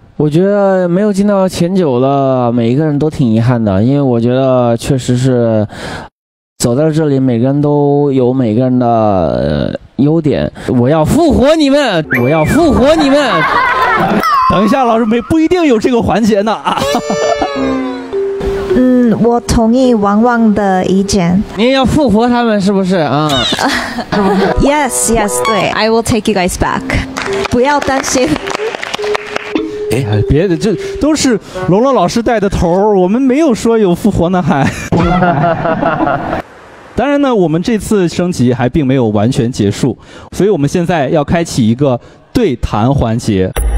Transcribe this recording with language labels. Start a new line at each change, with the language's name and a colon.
Chinese: 我觉得没有进到前九的每一个人都挺遗憾的，因为我觉得确实是走到这里每个人都有每个人的优点。我要复活你们，我要复活你们。等一下老师，没不一定有这个环节呢。嗯，我同意王王的意见。你也要复活他们是不是啊？
English: Yes, yes,
Chinese: 对
English: I will take you guys back.
Chinese: 不要担心。哎，别的这都是龙龙老师带的头，我们没有说有复活呢还。当然呢，我们这次升级还并没有完全结束，所以我们现在要开启一个对谈环节。